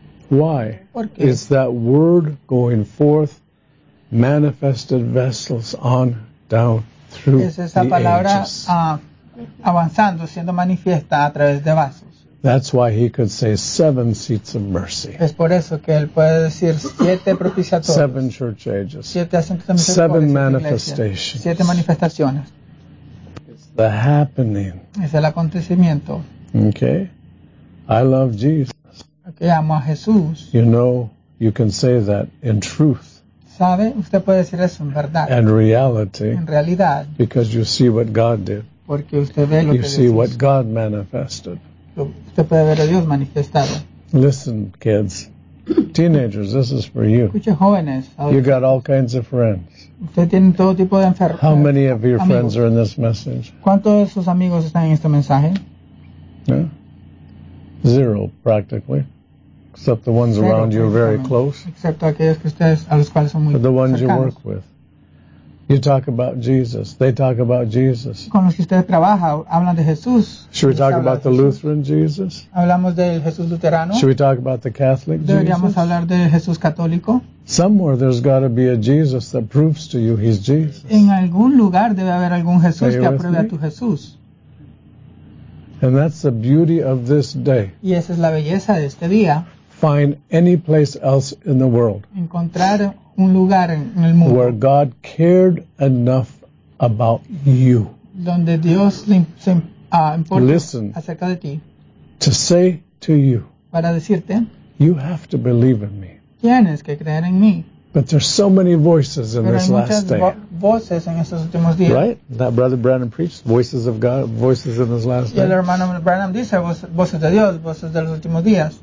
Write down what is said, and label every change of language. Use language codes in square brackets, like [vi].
[en] Why? [es] ¿Por qué? [en] It's that word going forth, manifested vessels on down through [es] es esa palabra, [en] the ages. [es] Avanzando, siendo manifiesta a través de vasos. [en] That's why he could say seven seats of mercy. [es] Es por eso que él puede decir siete propiciatorios. [en] Seven church ages. [es] Siete asientos de misericordia. [en] Seven manifestations. [es] Siete manifestaciones. [en] It's the happening. [es] Es el acontecimiento. [en] Okay. I love Jesus. [es] Okay, amo a Jesús. [en] You know, you can say that in truth. [es] ¿Sabe? Usted puede decir eso en verdad. [en] And reality. [es] En realidad. [en] Because you see what God did. [es] Porque usted ve lo que [en] you see what God manifested. [es] Usted puede ver a Dios manifestado. [en] Listen, kids. Teenagers, this is for you. [es] Escuche, jóvenes. [en] You got all kinds of friends. [es] Usted tiene todo tipo de enfermos. [en] How many of your amigos. Friends are in this message? [es] ¿Cuántos de sus amigos están en este mensaje? [en] Yeah. Zero, practically. Except the ones around you are very close. [es] Excepto aquellos que ustedes, a los cuales son muy cercanos. [en] The ones [es] cercanos. [en] You work with. You talk about Jesus. They talk about Jesus. [es] Con los que ustedes trabajan, hablan de Jesús. [en] Should we talk about the Lutheran Jesus? [es] Hablamos del Jesús Luterano. [en] Should we talk about the Catholic Jesus? [es] Deberíamos hablar de Jesús Católico. [en] Somewhere there's got to be a Jesus that proves to you he's Jesus. [es] En algún lugar debe haber algún Jesús que apruebe a tu Jesús. [en] And that's the beauty of this day. [es] Y esa es la belleza de este día. [en] Find any place else in the world. [es] Encontrar un lugar en el mundo. [en] Where God cared enough about you. [es] Donde Dios se importa acerca de ti. [en] To say to you. [es] Para decirte. [en] You have to believe in me. [es] Tienes que creer en mí. [en] But there's so many voices in this last day. [es] Voces en estos últimos días. [en] Right? That brother Branham preached, voices of God, voices in this last day. [es] Y el hermano Branham dice, voces de Dios, voces de los últimos días.